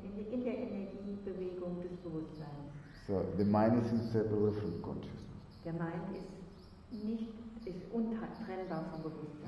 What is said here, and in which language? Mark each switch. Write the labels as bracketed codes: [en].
[de] In der Energiebewegung des Bewusstseins. [en] So the mind is inseparable from consciousness. [de] Der Mind ist untrennbar vom Bewusstsein.